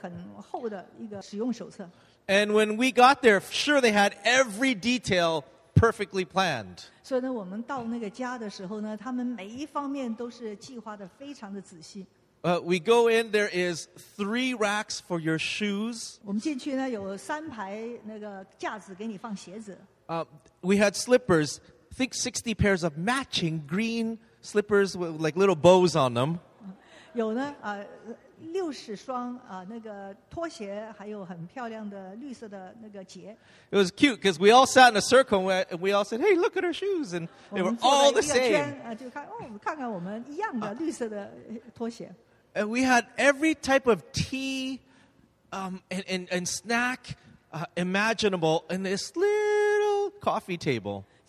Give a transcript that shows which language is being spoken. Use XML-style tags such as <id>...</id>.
<zh>哪怕是很简单的电器，都会有一个很厚的一个使用手册。</zh> <en>And when we got there, sure, they had every detail perfectly planned.</en> <zh>所以呢，我们到那个家的时候呢，他们每一方面都是计划的非常的仔细。</zh> <en>We go in, there is 3 racks for your shoes.</en> <zh>我们进去呢，有3排那个架子给你放鞋子。</zh> <en>We had slippers, I think 60 pairs of matching green slippers with like little bows on them.</en> <zh>有呢，60双那个拖鞋，还有很漂亮的绿色的那个结。</zh> <en>It was cute because we all sat in a circle and we all said, "Hey, look at our shoes," and they were all the same.</en> <zh>我们坐在一个圈，就看哦，看看我们一样的绿色的拖鞋。</zh> <en>And we had every type of tea and snack imaginable in this little coffee table.</en>